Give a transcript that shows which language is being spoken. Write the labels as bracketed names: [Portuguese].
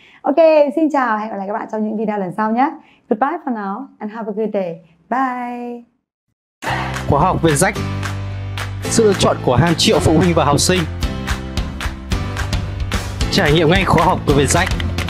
[Vietnamese] Ok, xin chào, hẹn gặp lại các bạn trong những video lần sau nhé. [English] Goodbye for now and have a good day. Bye. [Vietnamese] Khóa học Việt Rách, sự lựa chọn của hàng triệu phụ huynh và học sinh. Trải nghiệm ngay khóa học của Việt Rách.